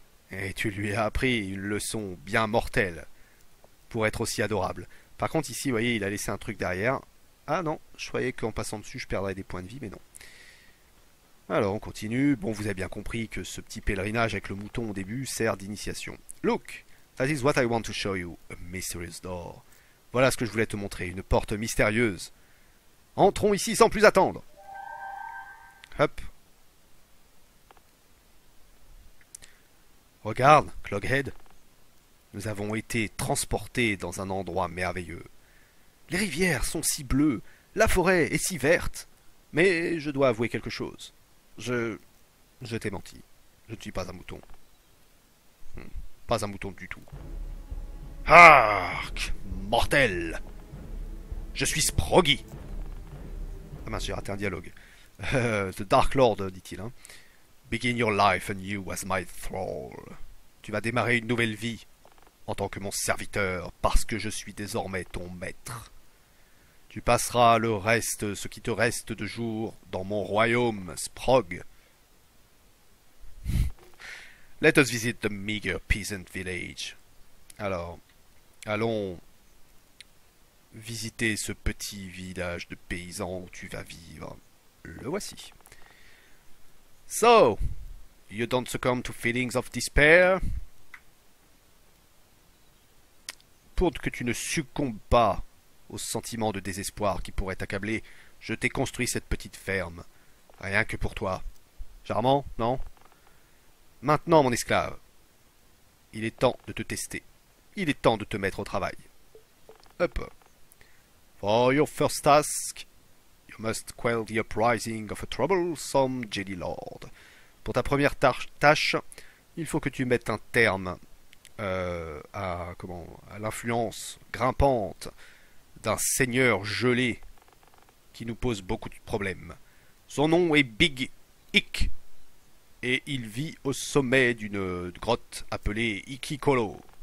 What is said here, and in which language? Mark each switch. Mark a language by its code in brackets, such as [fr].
[fr] Et tu lui as appris une leçon bien mortelle pour être aussi adorable. Par contre, ici, vous voyez, il a laissé un truc derrière. Ah non, je croyais qu'en passant dessus, je perdrais des points de vie, mais non. Alors, on continue. Bon, vous avez bien compris que ce petit pèlerinage avec le mouton au début sert d'initiation. [en] Look, that is what I want to show you. A mysterious door. [fr] Voilà ce que je voulais te montrer, une porte mystérieuse. Entrons ici sans plus attendre. Hop. Regarde, Cloghead. Nous avons été transportés dans un endroit merveilleux. Les rivières sont si bleues, la forêt est si verte. Mais je dois avouer quelque chose. Je t'ai menti. Je ne suis pas un mouton. Pas un mouton du tout. Hark! Mortel! Je suis Sproggy! Ah mince, j'ai raté un dialogue. The Dark Lord, dit-il, hein. [en] Begin your life anew as my thrall. [fr] Tu vas démarrer une nouvelle vie en tant que mon serviteur, parce que je suis désormais ton maître. Tu passeras le reste, ce qui te reste de jour, dans mon royaume, Sprog. [en] Let us visit the meager peasant village. [fr] Alors, allons visiter ce petit village de paysans où tu vas vivre. Le voici. [en] So, you don't succumb to feelings of despair? [fr] Pour que tu ne succombes pas au sentiment de désespoir qui pourrait t'accabler, je t'ai construit cette petite ferme. Rien que pour toi. Charmant, non? Maintenant, mon esclave, il est temps de te tester. Il est temps de te mettre au travail. Hop. [en] For your first task, you must quell the uprising of a troublesome Jelly Lord. [fr] Pour ta première tâche, il faut que tu mettes un terme à l'influence grimpante d'un seigneur gelé qui nous pose beaucoup de problèmes. Son nom est Big Ick et il vit au sommet d'une grotte appelée Ikikolo.